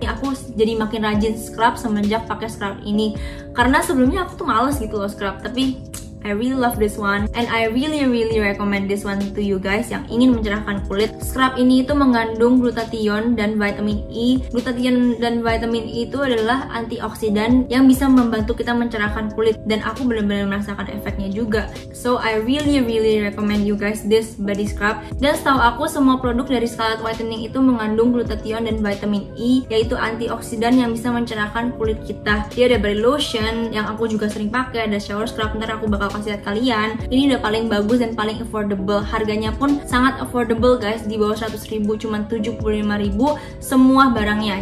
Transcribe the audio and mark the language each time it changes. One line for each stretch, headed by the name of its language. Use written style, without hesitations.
Indonesian: Aku jadi makin rajin scrub semenjak pakai scrub ini, karena sebelumnya aku tuh males gitu loh scrub, tapi
English: I really love this one and I really really recommend this one to you guys
Indonesian: yang ingin mencerahkan kulit. Scrub ini itu mengandung glutathione dan vitamin E. Glutathione dan vitamin E itu adalah antioksidan yang bisa membantu kita mencerahkan kulit, dan aku benar-benar merasakan efeknya juga.
English: So I really really recommend you guys this body scrub.
Indonesian: Dan setahu aku semua produk dari Scarlett Whitening itu mengandung glutathione dan vitamin E, yaitu antioksidan yang bisa mencerahkan kulit kita. Dia ada body lotion yang aku juga sering pakai, ada shower scrub, ntar aku bakal kasih lihat kalian. Ini udah paling bagus dan paling affordable. Harganya pun sangat affordable guys, di bawah 100.000, cuman 75.000 semua barangnya.